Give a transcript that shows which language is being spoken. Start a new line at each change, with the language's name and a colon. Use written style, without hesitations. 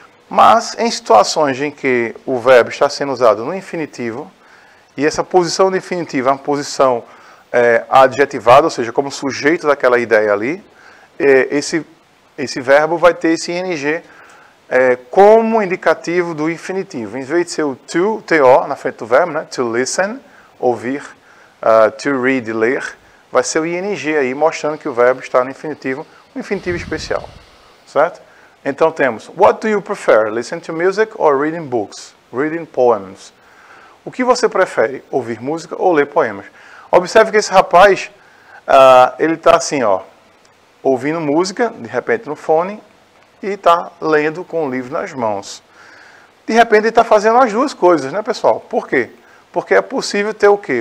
Portuguese: Mas, em situações em que o verbo está sendo usado no infinitivo, e essa posição definitiva é uma posição adjetivada, ou seja, como sujeito daquela ideia ali, esse verbo vai ter esse ing como indicativo do infinitivo. Em vez de ser o to, T-O, na frente do verbo, né? To listen, ouvir, to read, ler, vai ser o ing aí, mostrando que o verbo está no infinitivo, um infinitivo especial, certo? Então temos:
English: what do you prefer, listen to music or reading books, reading poems?
Portuguese: O que você prefere? Ouvir música ou ler poemas? Observe que esse rapaz, ele está assim, ó, ouvindo música, de repente no fone, e está lendo com o livro nas mãos. De repente ele está fazendo as duas coisas, né, pessoal? Por quê? Porque é possível ter o quê?